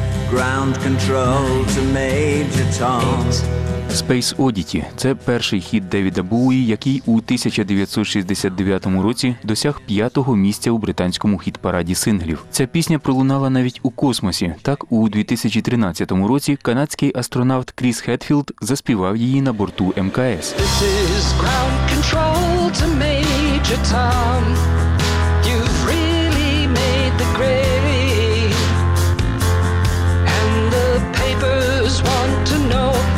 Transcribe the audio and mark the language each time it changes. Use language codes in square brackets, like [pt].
[en] Ground control to Major Tom. [uk] Space Oddity – це перший хіт Девіда Боуї, який у 1969 році досяг п'ятого місця у британському хіт-параді синглів. Ця пісня пролунала навіть у космосі. Так, у 2013 році канадський астронавт Кріс Хетфілд заспівав її на борту МКС. [en] This is ground control to Major Tom. You've really made the grave. And the papers want to know.